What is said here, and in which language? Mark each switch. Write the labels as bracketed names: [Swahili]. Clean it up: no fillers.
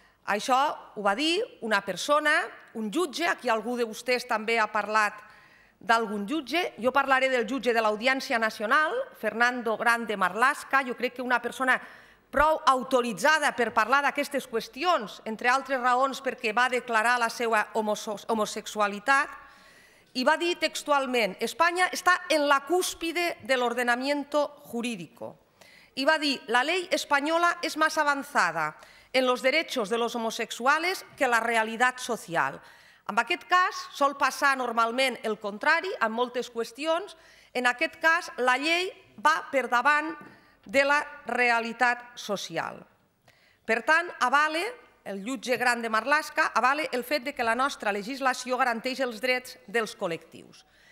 [Catalan] Això ho va dir una persona, un jutge, aquí algú de vostès també ha parlat d'algun jutge, jo parlaré del jutge de l'Audiència Nacional, Fernando Grande Marlaska, jo crec que una persona prou autoritzada per parlar d'aquestes qüestions, entre altres raons perquè va declarar la seva homosexualitat, i va dir textualment, Espanya està en la cúspide de [Spanish] l'ordenamiento jurídico. [Catalan] I va dir, [Spanish] la ley española es más avanzada en los derechos de los homosexuales que la realidad social. [Catalan] En aquest cas, sol passar normalment el contrari, en moltes qüestions, en aquest cas la llei va per davant de la realitat social. Per tant, avala, el jutge gran de Marlaska, avala el fet que la nostra legislació garanteix els drets dels col·lectius.